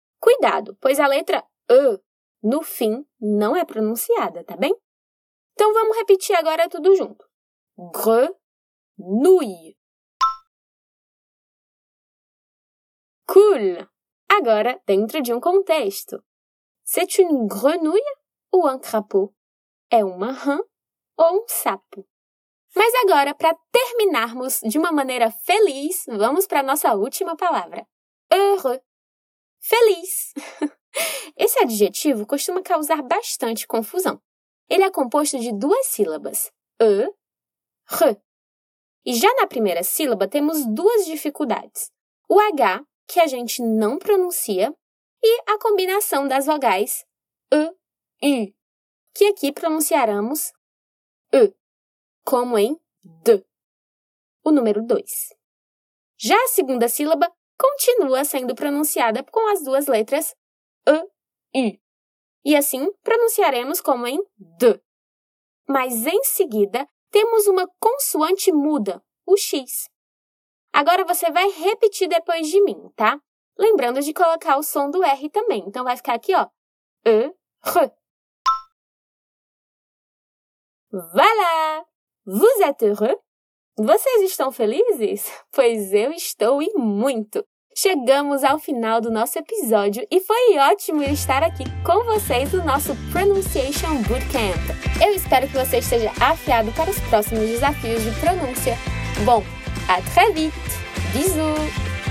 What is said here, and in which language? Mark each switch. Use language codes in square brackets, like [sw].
[pt] Cuidado, pois a letra E no fim não é pronunciada, tá bem? Então, vamos repetir agora tudo junto. Grenouille. Cool! Agora, dentro de um contexto. [fr] C'est une grenouille ou un crapaud? [pt] É uma rã ou um sapo? Mas agora, para terminarmos de uma maneira feliz, vamos para a nossa última palavra. Heureux. Feliz. Esse adjetivo costuma causar bastante confusão. Ele é composto de duas sílabas. Heureux. E já na primeira sílaba, temos duas dificuldades. O H, que a gente não pronuncia, e a combinação das vogais E, I, que aqui pronunciaremos E, como em de, o número 2. Já a segunda sílaba continua sendo pronunciada com as duas letras E, I. E assim pronunciaremos como em de. Mas em seguida, temos uma consoante muda, o X. Agora você vai repetir depois de mim, tá? Lembrando de colocar o som do R também. Então, vai ficar aqui, ó. E, R. [fr] Voilà! Vous êtes heureux? [pt] Vocês estão felizes? Pois eu estou e muito! Chegamos ao final do nosso episódio e foi ótimo estar aqui com vocês no nosso Pronunciation Bootcamp. Eu espero que você esteja afiado para os próximos desafios de pronúncia. Bom, [fr] à très vite! Bisous!